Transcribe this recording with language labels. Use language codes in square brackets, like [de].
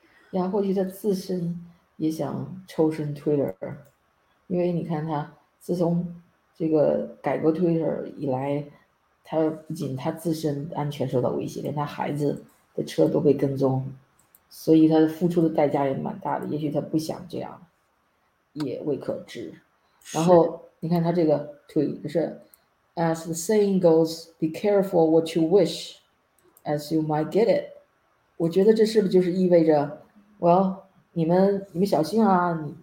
[zh] 呀，或许他自身也想抽身 Twitter，因为你看他自从这个改革 Twitter 以来，他不仅他自身安全受到威胁，连他孩子的车都被跟踪，所以他付出的代价也蛮大的。也许他不想这样，也未可知。然是，后你看他这个 tweet 就是， [en] As the saying goes, be careful what you wish, as you might get it。 [zh] 我觉得这是不是就是意味着，你们小心啊！